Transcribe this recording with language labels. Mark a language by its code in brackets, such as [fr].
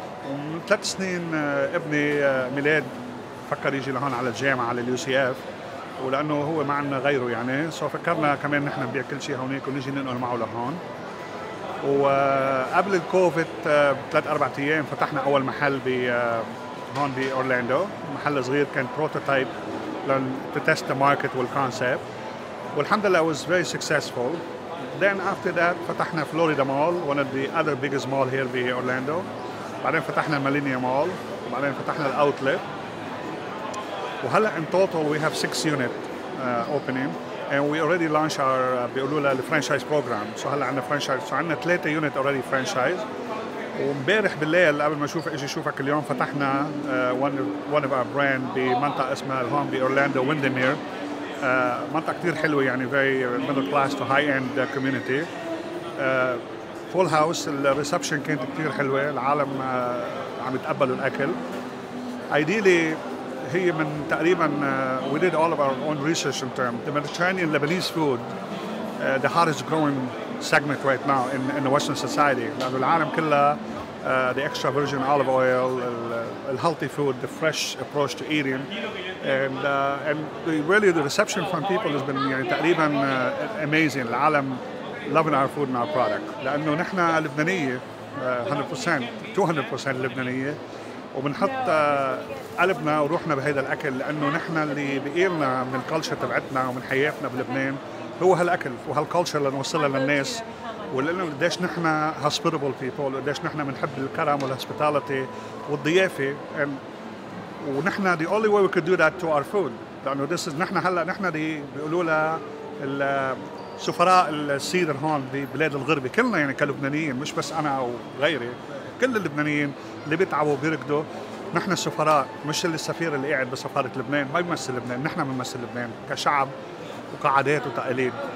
[ar] ومن ثلاث سنين ابني ميلاد فكر يجي لهون على الجامعة على اليو سي اف، ولأنه هو ما عندنا غيره يعني، سو فكرنا كمان نحن نبيع كل شيء هونيك ونجي ننقل معه لهون. وقبل الكوفيد بثلاث أربع أيام فتحنا أول محل هون بأورلاندو، محل صغير كان بروتوتايب لتست الماركت والكونسيب، والحمد لله [en] was very successful. Then after that [ar] فتحنا فلوريدا مول، [en] one of the other biggest mall here [ar] بأورلاندو. بعدين فتحنا ميلينيا مول، بعدين فتحنا الأوتلت، وهلا [en] in total we have 6 units opening. And we already launched our [ar] بيقولوا له [en] franchise program. [ar] So هلا عنا franchise. [en] So [ar] عنا [en] 3 units already franchise. [ar] ومبارح بالليل قبل ما اشوف اجي اشوفك اليوم فتحنا [en] one of our brand [ar] بمنطقة اسمها هون بأورلاندو ويندمير. منطقة كتير حلوة يعني [en] very middle class to high end community. Full house. [ar] الريسبشن كانت كتير حلوة. العالم عم يتقبلوا الأكل. [en] Ideally [ar] هي من تقريبا [en] we did all of our own research in terms the Mediterranean Lebanese food the hottest growing segment right now in the Western society. [ar] لأن العالم كله [en] the extra virgin olive oil, the healthy food, the fresh approach to eating, and really the reception from people has been [ar] يعني تقريبا [en] amazing. العالم loving our food and our product. [ar] لأنه نحن لبنانية 100% 200% لبنانية، وبنحط قلبنا وروحنا بهذا الأكل، لأنه نحن اللي بقيلنا من الكلتشر تبعتنا ومن حياتنا بلبنان هو هالأكل وهالكلتشر اللي نوصلها للناس. ولأنه قديش نحن [en] hospitable people، [ar] قديش نحن بنحب الكرم والهسبيتاليتي والضيافة، ونحن [en] the only way we could do that to our food. [ar] لأنه [en] this is [ar] نحن هلأ نحن اللي بيقولوا له السفراء السيدر هون ببلاد الغربي كلنا يعني كلبنانيين، مش بس أنا أو غيري، كل اللبنانيين اللي بيتعبوا بيركضوا نحن السفراء، مش السفير اللي قاعد بسفارة لبنان ما بيمثل لبنان، نحن بنمثل لبنان كشعب وكعادات وتقاليد.